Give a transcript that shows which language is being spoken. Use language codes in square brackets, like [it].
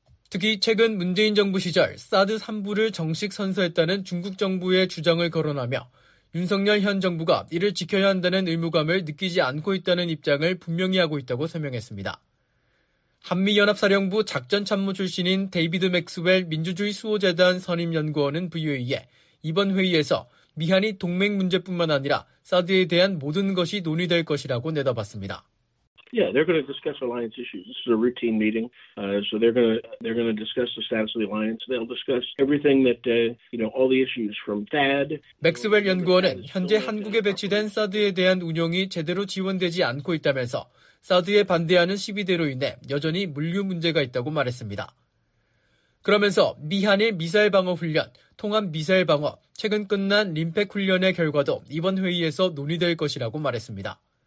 [ko] 특히 최근 문재인 정부 시절 사드 3부를 정식 선서했다는 중국 정부의 주장을 거론하며 윤석열 현 정부가 이를 지켜야 한다는 의무감을 느끼지 않고 있다는 입장을 분명히 하고 있다고 설명했습니다. 한미연합사령부 작전참모 출신인 데이비드 맥스웰 민주주의 수호재단 선임연구원은 VOA에 이번 회의에서 미한이 동맹 문제뿐만 아니라 사드에 대한 모든 것이 논의될 것이라고 내다봤습니다. [en] Yeah, they're going to discuss alliance issues. This is a routine meeting, so they're going to discuss the status of the alliance. They'll discuss everything that you know, all the issues from THAAD. [ko] 맥스웰 연구원은 현재 한국에 배치된 사드에 대한 운영이 제대로 지원되지 않고 있다면서 사드에 반대하는 시위대로 인해 여전히 물류 문제가 있다고 말했습니다. 그러면서 미한의 미사일 방어 훈련, 통합 미사일 방어, 최근 끝난 림팩 훈련의 결과도 이번 회의에서 논의될 것이라고 말했습니다.